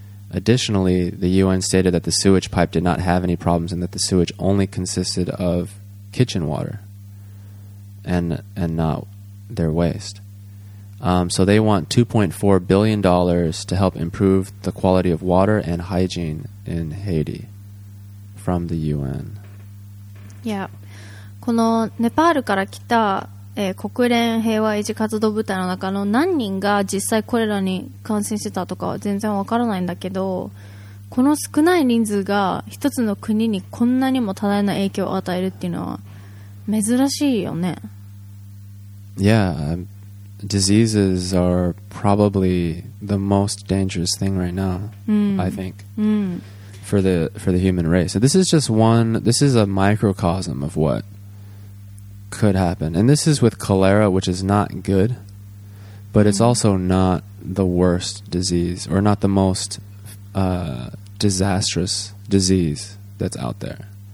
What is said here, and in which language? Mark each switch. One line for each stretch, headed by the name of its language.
English: Additionally, the UN stated that the sewage pipe did not have any problems and that the sewage only consisted of kitchen water and not their waste. So they want $2.4 billion to help improve the quality of water and hygiene in Haiti from the UN. Yeah.
Japanese: このネパールから来た、国連平和維持活動部隊の中の何人が実際コレラに感染してたとかは全然わからないんだけど、この少ない人数が一つの国にこんなにも多大な影響を与えるっていうのは珍しいよね。
English: Yeah, diseases are probably the most dangerous thing right now, I think, for the human race. So this is just one, this is a microcosm of what could happen. And this is with cholera, which is not good, but it's also not the worst disease or not the most disastrous disease that's out there.